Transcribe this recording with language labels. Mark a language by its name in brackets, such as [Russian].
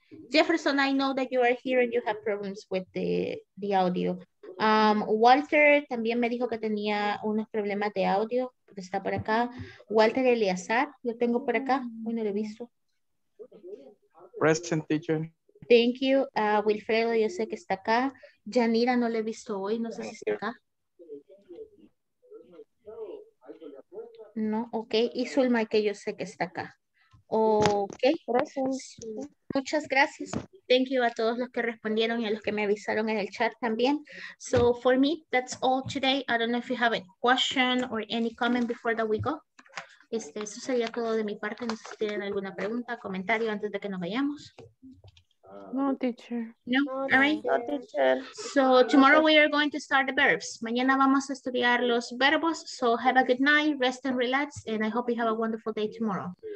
[English] Jefferson, I know that you are here and you have problems with the audio. [Spanish] Walter también me dijo que tenía unos problemas de audio, pero está por acá. Walter Eleazar, lo tengo por acá. Bueno, lo he visto. [English] Present, teacher. Thank you. [Spanish] Wilfredo, yo sé que está acá. Yanira, no lo he visto hoy. No sé si está acá. [English] No, ok. [Spanish] Y Zulma, que yo sé que está acá. [English] Ok, [Spanish] gracias. Muchas gracias. [English] Thank you [Spanish] a todos los que respondieron y a los que me avisaron en el chat también. [English] So for me, that's all today. I don't know if you have a question or any comment before that we go. [Spanish] Eso sería todo de mi parte. No sé si tienen alguna pregunta, comentario antes de que nos vayamos. [English] No, teacher. No, all right. No, teacher. So tomorrow we are going to start the verbs. [Spanish] Mañana vamos a estudiar los verbos. [English] So have a good night, rest and relax, and I hope you have a wonderful day tomorrow.